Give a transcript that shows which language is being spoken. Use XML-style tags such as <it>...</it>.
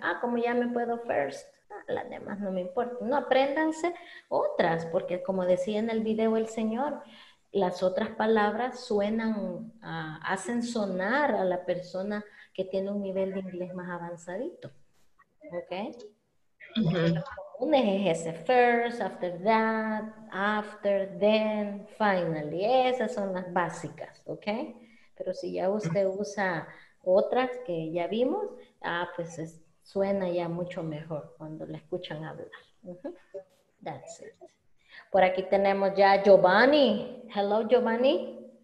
<es>Ah, como ya me puedo first, las demás no me importan. No, apréndanse otras, porque como decía en el video el señor, las otras palabras suenan, hacen sonar a la persona que tiene un nivel de inglés más avanzadito. ¿Ok? Un eje es ese,</es> <en>first, after that, after, then, finally.</en> <es>Esas son las básicas, ¿ok? Pero si ya usted usa otras que ya vimos, pues suena ya mucho mejor cuando la escuchan hablar.</es> <en>That's it.</en> <es>Por aquí tenemos ya Giovanni.</es> <en>Hello, Giovanni.</en>